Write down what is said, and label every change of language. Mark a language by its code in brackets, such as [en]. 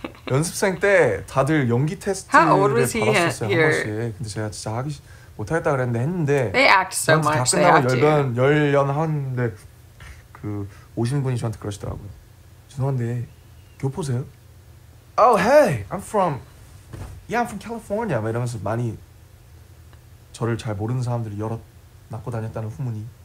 [ko] 연습생 때 다들 연기 테스트를 받았었어요. [en] How old was he here? [ko] 근데 제가 진짜 하기 못하겠다 그랬는데 했는데 [en] They act so much. [ko] 다 끝나고 열연 하는데 그 오신 분이 저한테 그러시더라고요. 죄송한데 교포세요? [en] Oh hey, I'm from yeah, I'm from California. [ko] 막 이러면서 많이 저를 잘 모르는 사람들이 여러 낳고 다녔다는 후문이.